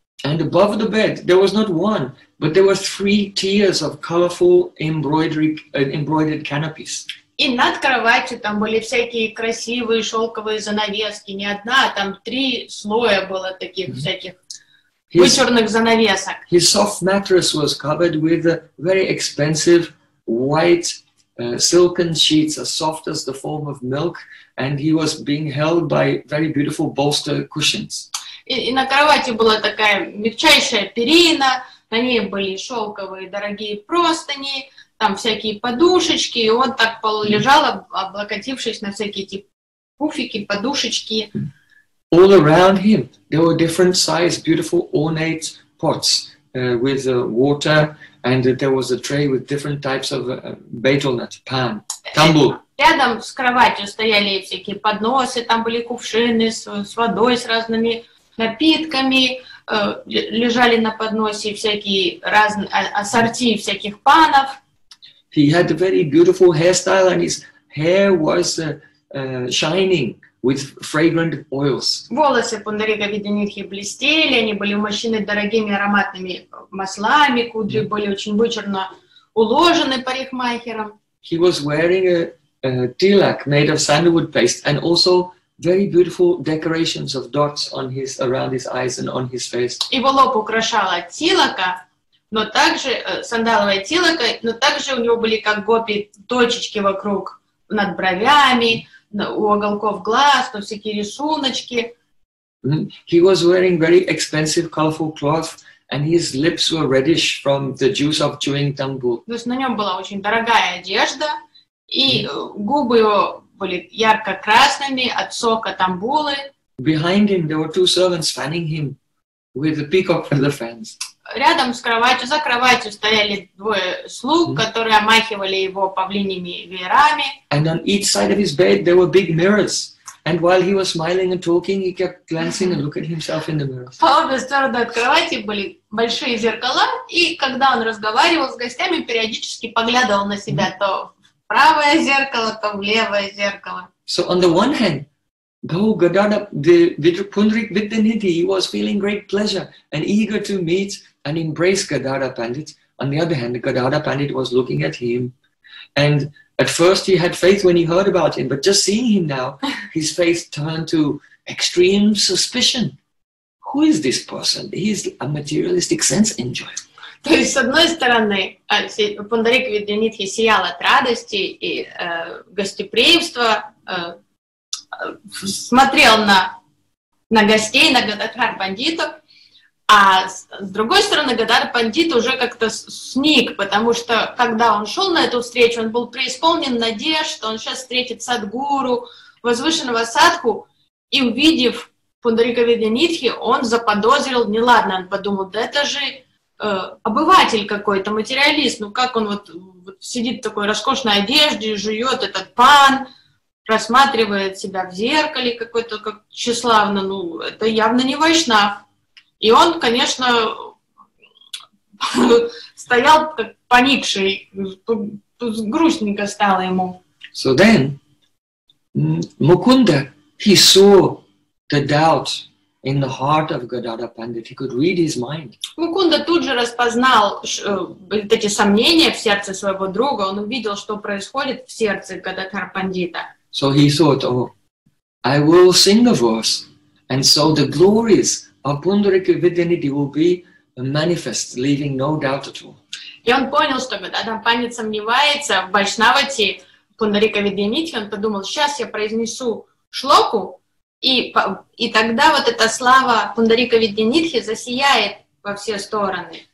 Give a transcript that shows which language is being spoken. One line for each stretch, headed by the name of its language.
English: And above the bed there was not one, but there were three tiers of colorful embroidered canopies.
Russian: И над кроватью там были всякие красивые шелковые занавески, не одна, а там три слоя было таких всяких вычурных занавесок.
English: His soft mattress was covered with a very expensive white silken sheets as soft as the foam of milk, and he was being held by very beautiful bolster cushions.
Russian: И на кровати была такая мягчайшая перина, на ней были шелковые дорогие простыни, там всякие подушечки, и он так полулежал, облокотившись на всякие эти пуфики, подушечки.
English: all around him, there were different size, beautiful ornate pots with water, and there was a tray with different types of betel nut, pan, tambur.
Russian: Рядом с кроватью стояли всякие подносы, там были кувшины с водой, с разными напитками, лежали на подносе всякие разные ассорти всяких панов.
English: He had a very beautiful hairstyle, and his hair was shining with fragrant oils.
Russian: Волосы Пундарика Виданихи блестели, они были умощены дорогими ароматными маслами, кудри были очень вычурно уложены парикмахером.
English: He was wearing a tilak made of sandalwood paste, and also very beautiful decorations of dots on his around his eyes and on his face.
Russian: Его лоб украшала тилака, но также сандаловая тилака, но также у него были как гопи точечки вокруг над бровями, у уголков глаз, но всякие рисуночки.
English: He was wearing very expensive, colorful cloth, and his lips were reddish from the juice of chewing tambur.
Russian: То есть на нем была очень дорогая одежда. И губы его были ярко-красными от сока тамбулы.
English: Behind him there were two servants fanning him with the peacock feather fans.
Russian: Рядом с кроватью, за кроватью стояли двое слуг, которые омахивали его павлиньими веерами.
English: And on each side of his bed there were big mirrors. And while he was smiling and talking, he kept glancing and looking at himself in the mirror.
Russian: По обе стороны от кровати были большие зеркала, и когда он разговаривал с гостями, периодически поглядывал на себя то правое зеркало, то левое зеркало.
English: So on the one hand, though Gadada, the Pundarik Vidyanidhi, he was feeling great pleasure and eager to meet and embrace Gadada Pandit. On the other hand, Gadada Pandit was looking at him. And at first he had faith when he heard about him, but just seeing him now, his face turned to extreme suspicion. Who is this person? He's a materialistic sense enjoyer.
Russian: То есть, с одной стороны, Пундарик Виданитхи сиял от радости и гостеприимства, смотрел на гостей, на Гададхар Пандитов, а с другой стороны, Гададхар Пандит уже как-то сник, потому что, когда он шел на эту встречу, он был преисполнен надежд, что он сейчас встретит садгуру, возвышенного садху, и увидев Пундарика Виданитхи, он заподозрил неладное, он подумал, да это же обыватель какой-то, материалист, ну как он вот сидит в такой роскошной одежде, жует этот пан, рассматривает себя в зеркале какой-то, как тщеславно, ну это явно не вайшнав. И он, конечно, стоял как поникший, грустненько стало ему.
English: So then, Mukunda, he saw the doubt in the heart of Gadada Pandit, he could read his mind.
Russian: Mukunda тут же распознал эти сомнения в сердце своего друга. Он увидел, что происходит в сердце Гададхара Пандита.
English: So he thought, "Oh, I will sing the verse, and so the glories of Pundarika Vidyanidhi will be manifest, leaving no doubt at all."
Russian: И он понял, что Гададхара Пандит сомневается в Вайшнавате Пундарика Видьянидхи. Он подумал: сейчас я произнесу шлоку. И тогда вот эта слава Пундарика Виданитхи засияет во все стороны.